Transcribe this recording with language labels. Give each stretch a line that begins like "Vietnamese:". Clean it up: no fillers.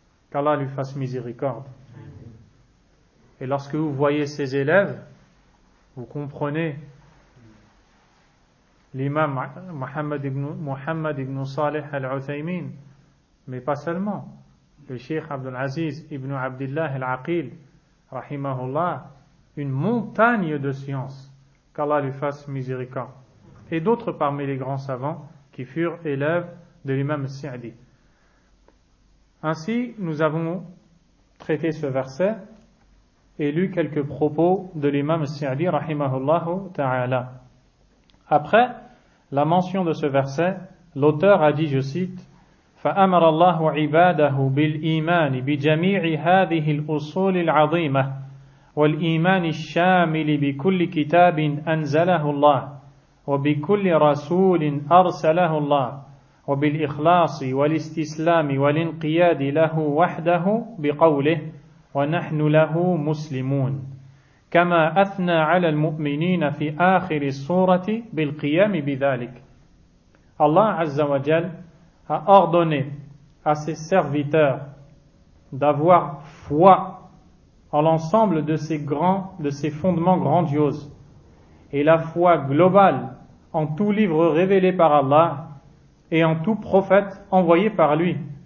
French: Qu'Allah lui fasse miséricorde. Et lorsque vous voyez ses élèves, vous comprenez l'imam Muhammad ibn Salih al-Uthaymin, mais pas seulement, le Cheikh Abdul Aziz ibn Abdullah al-Aqil, rahimahullah, une montagne de science, qu'Allah lui fasse miséricorde, et d'autres parmi les grands savants qui furent élèves de l'imam Sa'di. Ainsi, nous avons traité ce verset et lu quelques propos de l'imam Sa'di, rahimahullah ta'ala. Après la mention de ce verset, l'auteur a dit, je cite:
Arabic: فأمر الله عباده بالإيمان بجميع هذه الأصول العظيمة والإيمان الشامل بكل كتاب أنزله الله وبكل رسول أرسله الله وبالإخلاص والاستسلام والانقياد له وحده بقوله ونحن له مسلمون كما أثنى على المؤمنين في آخر السورة بالقيام بذلك. الله عز وجل
French: a ordonné à ses serviteurs d'avoir foi en l'ensemble de ces fondements grandioses. Et la foi globale en tout livre révélé par Allah et en tout prophète envoyé par lui.